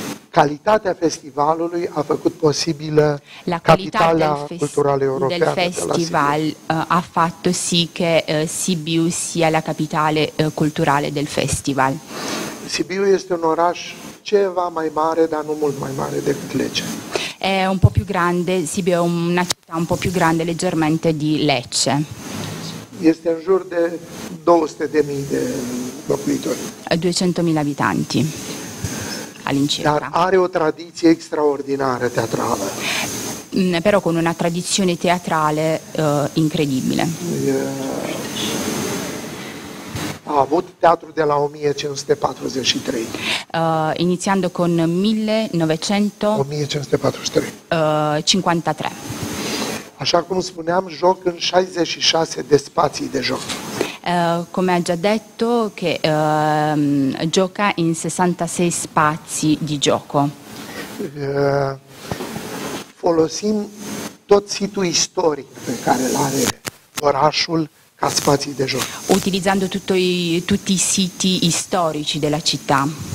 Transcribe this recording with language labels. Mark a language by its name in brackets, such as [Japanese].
[Romanian] Calitatea festivalului a făcut posibilă la capitala culturală europeană. [Italian] Del festival ha fatto sì che Sibiu sia la capitale culturale del festival. [Romanian] Sibiu este un oraș ceva mai mare, dar nu mult mai mare decât Lecce. [Italian] È un po' più grande, Sibiu è una città un po' più grande leggermente di Lecce. [Romanian] Este în jur de 200.000 de locuitori. [Italian] 200.000 abitanti. All'incirca. [Romanian] Dar are o tradiție extraordinară teatrală. [Italian] Però con una tradizione teatrale incredibile. [Romanian] Ha avut teatru de la 1543. [Italian] Iniziando con 1543. [Romanian] Așa cum spuneam, joc în 66 de spații de joc. [Italian] Come ha già detto che gioca in 66 spazi di gioco. [Romanian] Folosim tot situl istoric pe care l-are orașul ca spații de joc. [Italian] Utilizzando tutti i siti storici della città.